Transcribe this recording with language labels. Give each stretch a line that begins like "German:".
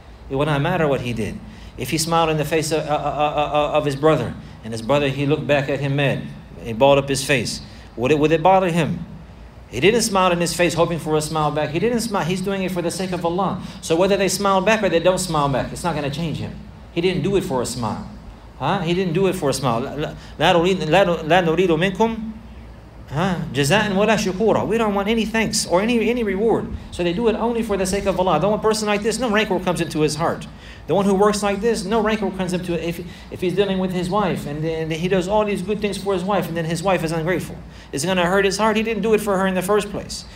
English: It will not matter what he did. If he smiled in the face of his brother, and his brother, he looked back at him mad, he balled up his face, would it bother him? He didn't smile in his face hoping for a smile back. He didn't smile. He's doing it for the sake of Allah. So whether they smile back or they don't smile back, it's not going to change him. He didn't do it for a smile. Huh? He didn't do it for a smile.
Arabic: لا نريد منكم جزاء ولا شكورا.
English: We don't want any thanks or any reward. So they do it only for the sake of Allah. The one person like this, no rancor comes into his heart. The one who works like this, no rancor comes into it. If he's dealing with his wife and then he does all these good things for his wife and then his wife is ungrateful, it's going to hurt his heart. He didn't do it for her in the first place.